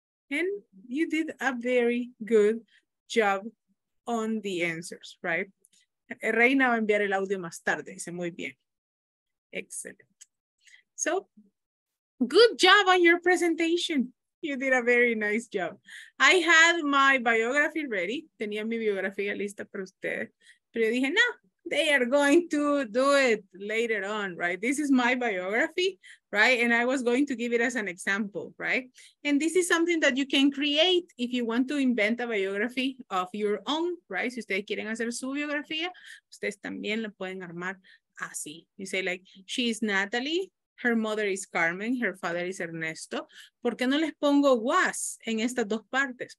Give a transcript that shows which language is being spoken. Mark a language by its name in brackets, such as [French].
[English] And you did a very good job on the answers, right? [Spanish] Reina va a enviar el audio más tarde. Dice, muy bien. [English] Excellent. So, good job on your presentation. You did a very nice job. I had my biography ready. [Spanish] Tenía mi biografía lista para ustedes. Pero yo dije, no, [English] they are going to do it later on, right? This is my biography, right? And I was going to give it as an example, right? And this is something that you can create if you want to invent a biography of your own, right? [Spanish] Si ustedes quieren hacer su biografía, ustedes también la pueden armar así. [English] You say like, she is Natalie. Her mother is Carmen, her father is Ernesto. [Spanish] ¿Por qué no les pongo [English] was [Spanish] en estas dos partes?